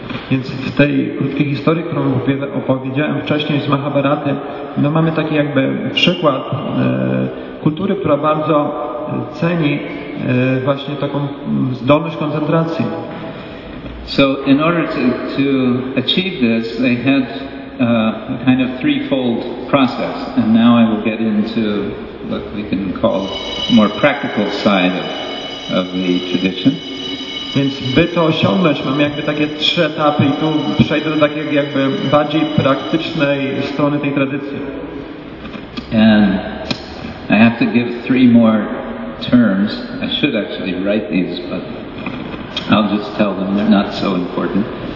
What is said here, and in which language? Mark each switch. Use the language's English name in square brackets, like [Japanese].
[Polish] Więc w tej krótkiej historii, którą opowiedziałem wcześniej z Mahabharaty, no mamy taki jakby przykład kultury, która bardzo ceni właśnie taką zdolność koncentracji. [English] So in order to achieve this, they had a kind of threefold process, and now I will get into what we can call more practical side of the tradition. [Polish] Więc by to osiągnąć, mam jakby takie trzy etapy i tu przejdę do takiej jakby bardziej praktycznej strony tej tradycji. [English] And I have to give three more terms. I should actually write these, but I'll just tell them they're not so important.